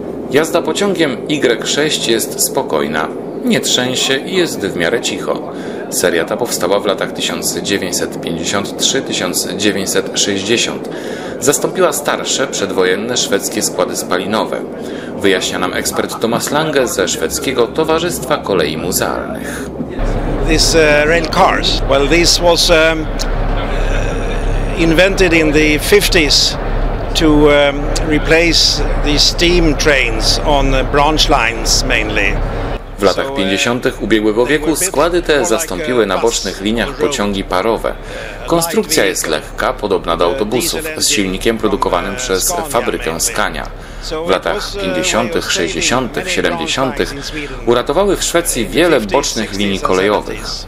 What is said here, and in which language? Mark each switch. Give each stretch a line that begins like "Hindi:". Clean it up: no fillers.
Polish: Jazda pociągiem Y6 jest spokojna, nie trzęsie i jest w miarę cicho. Seria ta powstała w latach 1953-1960. Zastąpiła starsze, przedwojenne szwedzkie składy spalinowe. Wyjaśnia nam ekspert Thomas Lange ze szwedzkiego Towarzystwa Kolei Muzealnych.
English: These rail cars, well, this was invented in the 50s. To replace the steam trains on branch lines mainly.
Polish: W latach 50. ubiegłego wieku składy te zastąpiły na bocznych liniach pociągi parowe. Konstrukcja jest lekka, podobna do autobusów, z silnikiem produkowanym przez fabrykę Scania. W latach 50., 60., 70. uratowały w Szwecji wiele bocznych linii kolejowych.